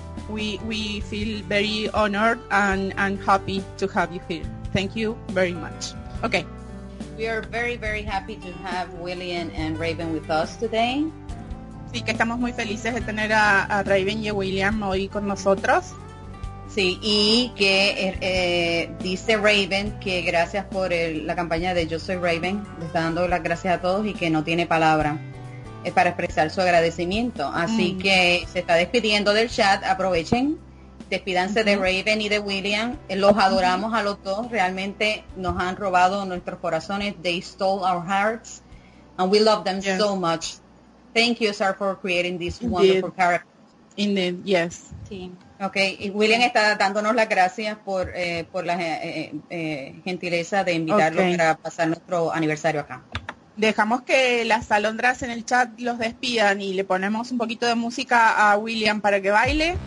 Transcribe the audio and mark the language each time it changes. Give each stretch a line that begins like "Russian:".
English: We feel very honored and happy to have you here. Thank you very much. Okay. We are very, very happy to have William and Raven with us today.
Spanish: Sí, que estamos muy felices de tener a Raven y a William hoy con nosotros. Sí, y que dice Raven que gracias por la campaña de Yo Soy Raven. Le está dando las gracias a todos y que no tiene palabra para expresar su agradecimiento. Así que se está despidiendo del chat. Aprovechen, despídanse de Raven y de William. Los adoramos a los dos. Realmente nos han robado nuestros corazones.
English: They stole our hearts. And we love them so much. Thank you, sir, for creating this wonderful character. Indeed, yes.
Spanish: Sí. Ok, y William está dándonos las gracias por la gentileza de invitarlo para pasar nuestro aniversario acá. Dejamos que las alondras en el chat los despidan y le ponemos un poquito de música a William para que baile.